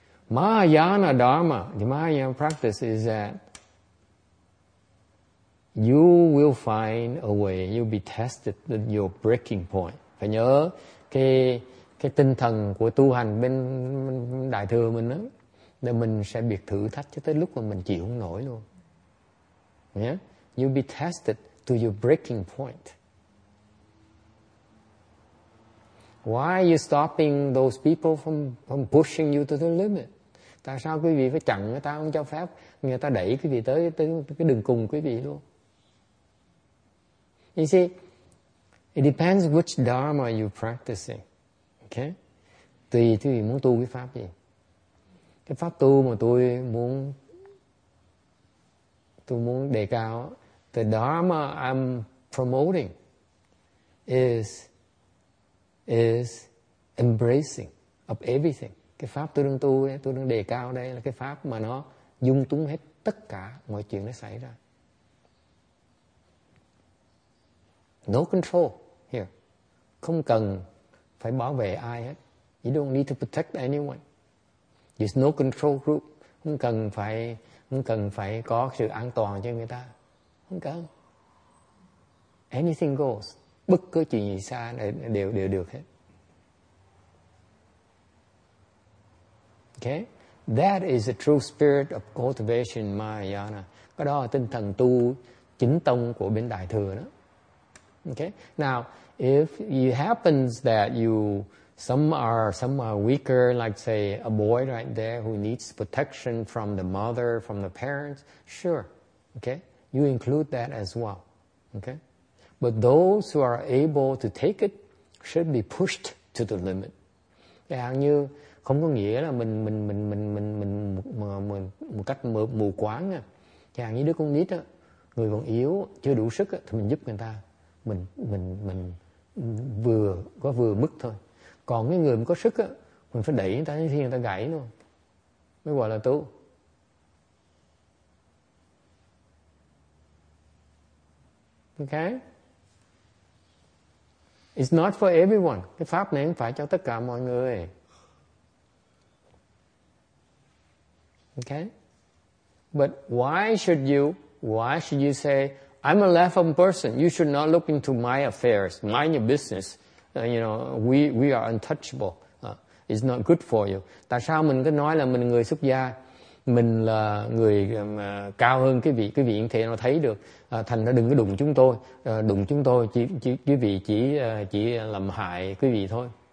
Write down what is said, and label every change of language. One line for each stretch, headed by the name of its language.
English: Mahayana Dharma, the Mahayana practice is that you will find a way, you'll be tested at your breaking point.
Vietnamese: Phải nhớ cái tinh thần của tu hành bên Đại Thừa mình đó, là mình sẽ bị thử thách cho tới lúc mà mình chịu không nổi luôn.
English: Yeah? You'll be tested to your breaking point. Why are you stopping those people from pushing you to the limit?
Vietnamese: Tại sao quý vị phải chặn người ta, không cho phép người ta đẩy quý vị tới cái đường cùng quý vị luôn?
English: You see, it depends which dharma you practicing. Okay?
Vietnamese: Tùy quý vị muốn tu cái pháp gì. Cái pháp tu mà tôi muốn tôi muốn đề cao,
English: the dharma I'm promoting is embracing of everything.
Vietnamese: Cái pháp tôi đang tu, tôi đang đề cao đây là cái pháp mà nó dung túng hết tất cả mọi chuyện nó xảy ra.
English: No control here.
Vietnamese: Không cần phải bảo vệ ai hết.
English: You don't need to protect anyone. There's no control group.
Vietnamese: Không cần phải có sự an toàn cho người ta. Không cần.
English: Anything goes.
Vietnamese: Bất cứ chuyện gì xa đều được hết.
English: Okay? That is the true spirit of cultivation Mahayana.
Vietnamese: Cái đó là tinh thần tu chính tông của bên Đại Thừa đó.
English: Okay? Now, if it happens that some are weaker, like say a boy right there who needs protection from the mother, from the parents, sure. Okay? You include that as well. Okay? But those who are able to take it should be pushed to the limit.
Vietnamese: Yeah, như không có nghĩa là mình một cách mù quáng nha. Chẳng như đứa con nít á, người còn yếu chưa đủ sức á, thì mình giúp người ta, mình vừa có vừa mức thôi. Còn cái người mà có sức á, mình phải đẩy người ta như thế, người ta gãy luôn mới gọi là tu.
English: Okay, it's not for everyone.
Vietnamese: Cái pháp này không phải cho tất cả mọi người.
English: Okay, but why should you say I'm a level person, you should not look into my affairs, mind your business, you know, we are untouchable, it's not good for you.
Vietnamese: Tại sao mình cứ nói là mình người xuất gia, mình là người cao hơn cái vị như thế nó thấy được, thành ra đừng có đụng chúng tôi, đụng chúng tôi chỉ quý vị chỉ làm hại quý vị thôi.